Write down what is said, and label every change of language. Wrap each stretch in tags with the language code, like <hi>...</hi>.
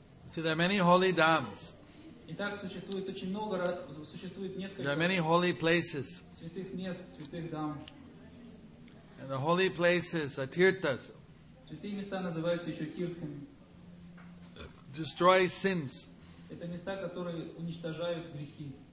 <en>See, there are many holy dhams.</en> <ru>Итак, существует очень много, существует несколько.</ru> <en>There are many holy places.</en> <ru>Святых мест, святых дам.</ru> <en>And the holy places are тиртхас.</en> <ru>Святые места называются еще тиртхами.</ru> <en>Destroy sins.</en> <ru>Это места, которые уничтожают грехи.</ru>